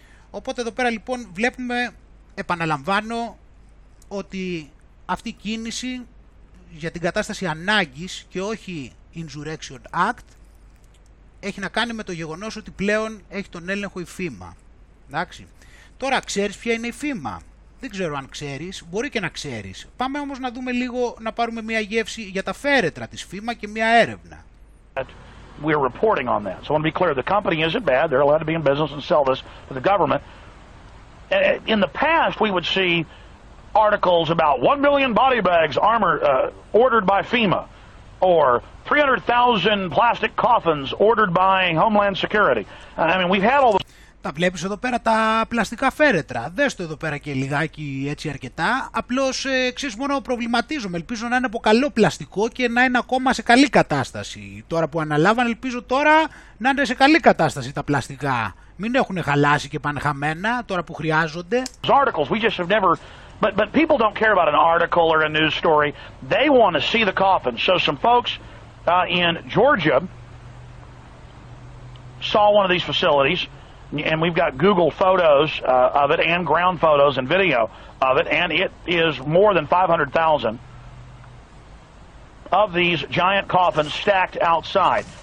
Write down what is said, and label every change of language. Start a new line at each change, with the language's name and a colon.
Greek: Οπότε εδώ πέρα λοιπόν βλέπουμε, επαναλαμβάνω, ότι αυτή η κίνηση για την κατάσταση ανάγκης και όχι Insurrection Act έχει να κάνει με το γεγονός ότι πλέον έχει τον έλεγχο η FEMA. Εντάξει. Τώρα ξέρεις ποια είναι η FEMA. Δεν ξέρω αν ξέρεις, μπορεί και να ξέρεις. Πάμε όμως να δούμε λίγο, να πάρουμε μια γεύση για τα φέρετρα της FEMA και μια έρευνα.
English: We're reporting on that. So I want to be clear, the company isn't bad. They're allowed to be in business and sell this to the government. In the past, we would see articles about 1 million body bags armor ordered by FEMA or 300,000 plastic coffins ordered by Homeland Security. I mean, we've had all the...
Greek: Τα βλέπεις εδώ πέρα τα πλαστικά φέρετρα. Δες το εδώ πέρα και λιγάκι έτσι αρκετά. Απλώς ξέρεις, μόνο προβληματίζομαι. Ελπίζω να είναι από καλό πλαστικό και να είναι ακόμα σε καλή κατάσταση. Τώρα που αναλάβαν, ελπίζω τώρα να είναι σε καλή κατάσταση τα πλαστικά. Μην έχουν χαλάσει και πάνε χαμένα τώρα που χρειάζονται.
English: Articles. We just have never... But people don't care about an article or a news story. They want to see the coffin. So some folks in Georgia saw one of these facilities. And we've got Google photos of it and ground photos and video of it, and it is more than 500,000 of these giant coffins stacked outside.